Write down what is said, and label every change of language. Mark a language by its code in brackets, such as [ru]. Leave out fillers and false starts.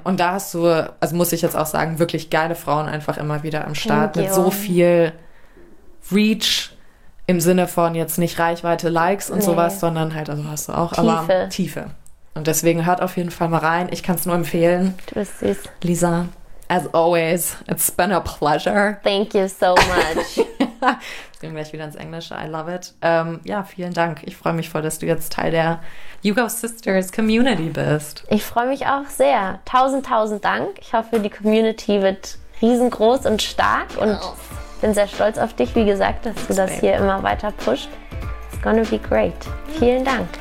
[de] Und da hast du, also muss ich jetzt auch sagen, wirklich geile Frauen einfach immer wieder am Start. Mit so viel Reach im Sinne von jetzt nicht Reichweite, Likes und sowas, sondern halt, also hast du auch, Tiefe. Aber Tiefe. Und deswegen hört auf jeden Fall mal rein. Ich kann es nur empfehlen. Du bist süß. [en] Lisa, as always, it's been a pleasure. Thank you so much. [de] Jetzt gehen wir wieder ins Englische. [en] I love it. [de] Vielen Dank. Ich freue mich voll, dass du jetzt Teil der Yoga Sisters Community bist. Ich freue mich auch sehr. Tausend Dank. Ich hoffe, die Community wird riesengroß und stark. Und bin sehr stolz auf dich, wie gesagt, dass du das hier immer weiter pusht. [en] It's gonna be great. [de] Vielen Dank.